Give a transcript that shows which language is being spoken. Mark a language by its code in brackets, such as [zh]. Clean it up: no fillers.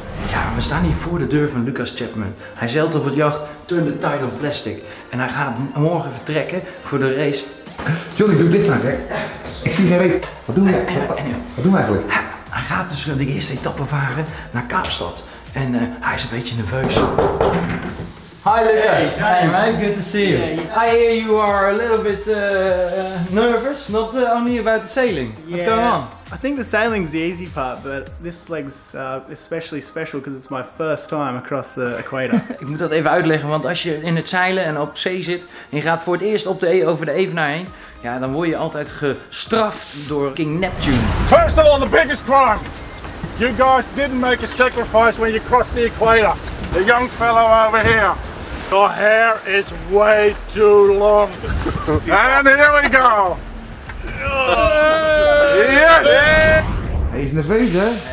[nl] Ja, we staan hier voor de deur van Lucas Chapman. Hij zeilt op het jacht Turn the Tide of Plastic. En hij gaat morgen vertrekken voor de race. Johnny, doe dit maar, hè. Ik zie geen reet. Wat doen we? Wat doen we eigenlijk? Hij gaat dus de eerste etappe varen naar Kaapstad. En hij is een beetje nerveus. [en] Hi Lucas. Hey, man. Good to see you. I hear you are a little bit nervous. Not only about the sailing. What's going on? I think the sailing's the easy part, but this leg's especially special because it's my first time across the equator. [nl] Ik moet dat even uitleggen, want als je in het zeilen en op zee zit en je gaat voor het eerst over de evenaar heen, ja, dan word je altijd gestraft door King Neptune. [en] First of all, the biggest crime. You guys didn't make a sacrifice when you crossed the equator. The young fellow over here. Your hair is way too long. And here we go. Yes! He's [nl] nerveus, hè?